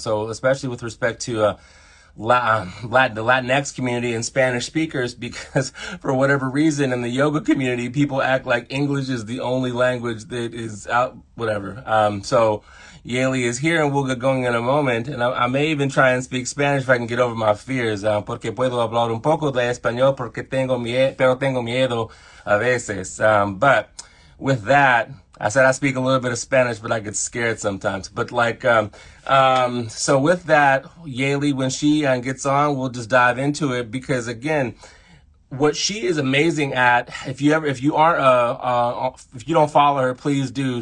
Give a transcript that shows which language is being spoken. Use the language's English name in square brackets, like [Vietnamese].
[English] So especially with respect to the Latinx community and Spanish speakers, because for whatever reason in the yoga community, people act like English is the only language that is out, whatever. So Yaeli is here and we'll get going in a moment. And I may even try and speak Spanish if I can get over my fears. [Spanish] Porque puedo hablar un poco de español porque tengo miedo a veces. [English] But with that, I said I speak a little bit of Spanish, but I get scared sometimes. But like, so with that, Yaeli, when she gets on, we'll just dive into it. Because again, what she is amazing at, if you don't follow her, please do.